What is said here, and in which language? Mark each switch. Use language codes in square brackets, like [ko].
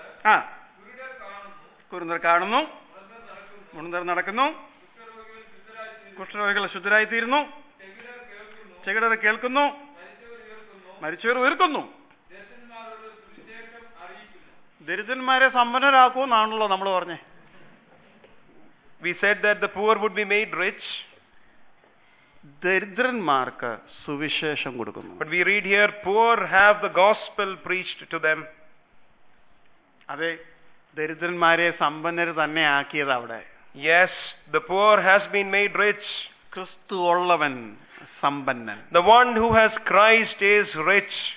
[ml] ആ കുരുന്നർ കാണുന്നു, മുണ്ടർ നടക്കുന്നു, കുഷ്ഠരോഗികൾ ശുദ്ധരായിത്തീരുന്നു, ചെകിടർ കേൾക്കുന്നു, മരിച്ചവർ ഉയർക്കുന്നു, ദരിദ്രന്മാരെ സമ്പന്നരാക്കൂന്നാണല്ലോ നമ്മൾ പറഞ്ഞേ. [en] We said that the poor would be made rich. [ml] ദരിദ്രന്മാർക്ക് സുവിശേഷം കൊടുക്കുന്നു. [en] But we read here, poor have the gospel preached to them. [ml] അതെ, ദരിദ്രന്മാരെ സമ്പന്നര് തന്നെ ആക്കിയത് അവിടെ. [en] Yes, the poor has been made rich. [ml] ക്രിസ്തു ഉള്ളവൻ സമ്പന്നൻ. [en] The one who has Christ is rich.